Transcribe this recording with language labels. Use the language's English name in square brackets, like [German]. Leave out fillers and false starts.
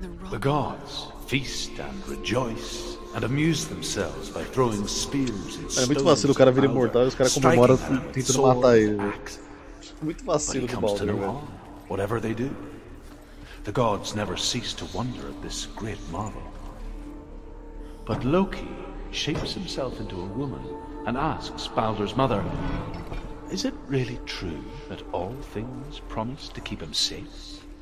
[English] The gods feast and rejoice and amuse themselves by throwing spears and stones. [Portuguese] É muito vacilo, o cara vira imortal e os caras comemoram tentando matar ele. Muito vacilo do Baldur. [English] Whatever they do, the gods never cease to wonder at this great marvel. But Loki shapes himself into a woman and asks Baldur's mother, "Is it really true that all things promise to keep him safe?"